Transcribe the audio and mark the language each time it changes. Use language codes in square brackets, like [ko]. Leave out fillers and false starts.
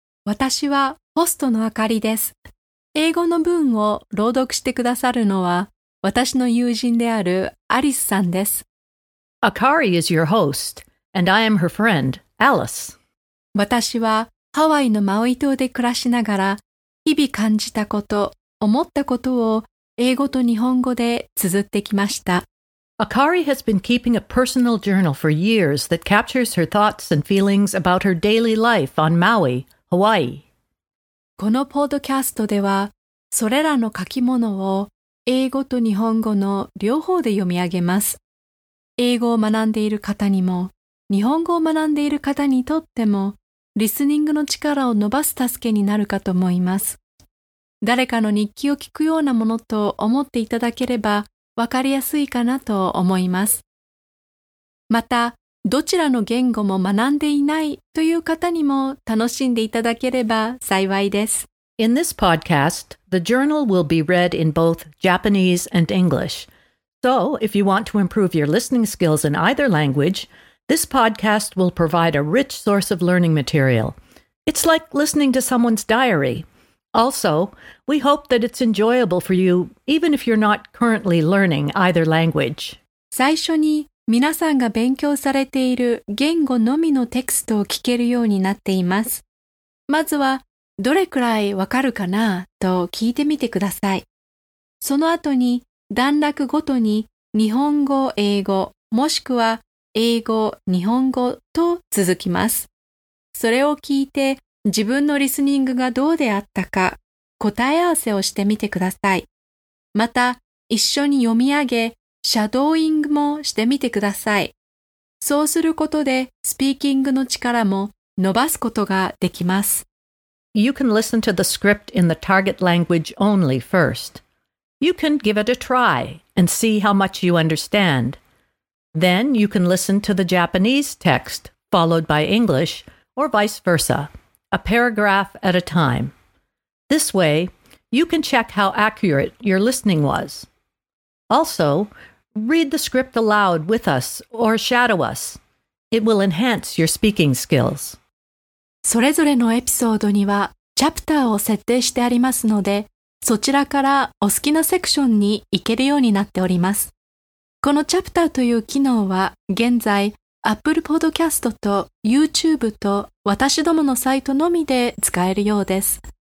[ja] 私はホストのあかりです。英語の文を朗読してくださるのは私の友人であるアリスさんです。 [en] Akari is your host, and I am her friend, Alice. [ja] 私はハワイのマウイ島で暮らしながら日々感じたこと、思ったことを英語と日本語で綴ってきました。 [en] Akari has been keeping a personal journal for years that captures her thoughts and feelings about her daily life on Maui, Hawaii. [ja] このポッドキャストでは、それらの書き物を英語と日本語の両方で読み上げます。英語を学んでいる方にも、日本語を学んでいる方にとっても、リスニングの力を伸ばす助けになるかと思います。誰かの日記を聞くようなものと思っていただければ、わかりやすいかなと思います。また、どちらの言語も学んでいないという方にも楽しんでいただければ幸いです。 [en] In this podcast, the journal will be read in both Japanese and English. So, if you want to improve your listening skills in either language, this podcast will provide a rich source of learning material. It's like listening to someone's diary. Also, we hope that it's enjoyable for you, even if you're not currently learning either language. [ja] 最初に皆さんが勉強されている言語のみのテキストを聞けるようになっています。まずは、どれくらいわかるかなと聞いてみてください。その後に、段落ごとに日本語、英語、もしくは英語、日本語と続きます。それを聞いて、自分のリスニングがどうであったか答え合わせをしてみてください。また一緒に読み上げ、シャドーイングもしてみてください。そうすることでスピーキングの力も伸ばすことができます。 [en] You can listen to the script in the target language only first. You can give it a try and see how much you understand. Then you can listen to the Japanese text followed by English or vice versa. A paragraph at a time. This way, you can check how accurate your listening was. Also, read the script aloud with us or shadow us. It will enhance your speaking skills. [ja] それぞれのエピソードにはチャプターを設定してありますので、そちらからお好きなセクションに行けるようになっております。このチャプターという機能は現在、Apple Podcast と YouTube と私どものサイトのみで使えるようです。